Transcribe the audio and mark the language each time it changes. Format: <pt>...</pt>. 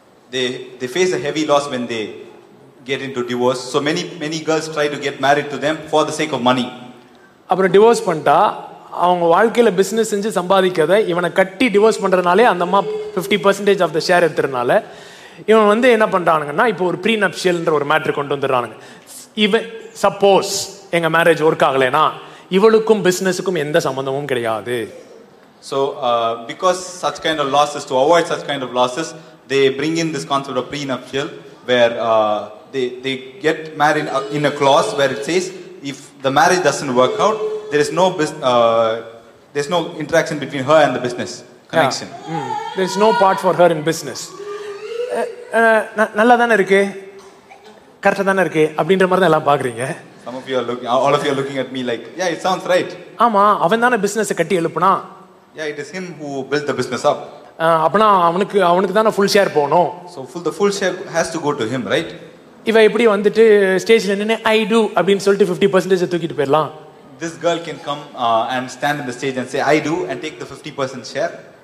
<en>They face a heavy loss when they get into divorce. So many girls try to get married to them for the sake of money.</en> <ta>அப்புறம் divorce பண்ணிட்டா அவங்க வாழ்க்கையில business செஞ்சு சம்பாதிக்காத இவனை கட்டி divorce பண்றதுனாலே அந்த அம்மா 50% ஆஃப் த ஷேர் எடுத்துறனால இவன் வந்து என்ன பண்றானுங்கன்னா இப்போ ஒரு ப்ரீநப்ஷியல்ன்ற ஒரு மேட்டர் கொண்டு வந்துடுறானுங்க. இவன் சப்போஸ் எங்க மேரேஜ் ஒர்க் ஆகலைனா இவளுக்கும் பிசினஸுக்கும் எந்த சம்பந்தமும் கிடையாது.</ta> <en>So because such kind of losses, to avoid such kind of losses, they bring in this concept of prenuptial where they get married in a clause where it says if the marriage doesn't work out, there's no interaction between her and the business connection. Yeah. Mm. There's no part for her in business.</en> <ta>நல்லா தானே இருக்கு கரெக்டா தானே இருக்கு அப்படின்ற மாதிரி தான் எல்லாம் பாக்குறீங்க.</ta> <en>Some of you are looking, all of you are looking at me like, yeah, it sounds right.</en> <ta>ஆமா அவன் தான business கட்டி எழுப்புனா.</ta> <en>Yeah, it is him who built the business up.</en> <ta>அப்பனா அவனுக்கு தான</ta> <en>full share</en> <ta>போணும்.</ta> <en>So the full share has to go to him, right?</en> <ta>இவ எப்படி வந்துட்டு ஸ்டேஜ்ல நின்னு</ta> <en>I do</en> <ta>அப்படினு சொல்லிட்டு 50% தூக்கிட்டு போறலாம்.</ta> <en>This girl can come and stand in the stage and say I do and take the 50% share.</en>